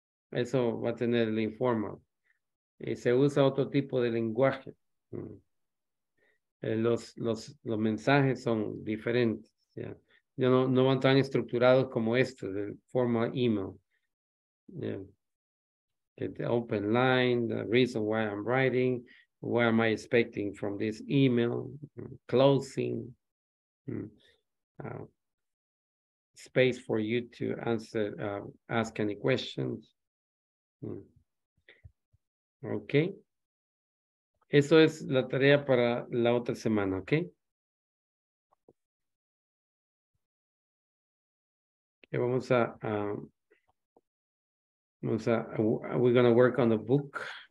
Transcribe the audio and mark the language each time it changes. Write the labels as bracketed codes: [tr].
[es] Eso va a tener el informal. Y se usa otro tipo de lenguaje. Los mensajes son diferentes, ¿ya? Ya no van tan estructurados como este, del formal email. ¿Ya? [en] The open line, the reason why I'm writing, what am I expecting from this email, closing, space for you to answer, ask any questions. Ok. [es] Eso es la tarea para la otra semana, ok. Y vamos a [en] We're gonna work on the book.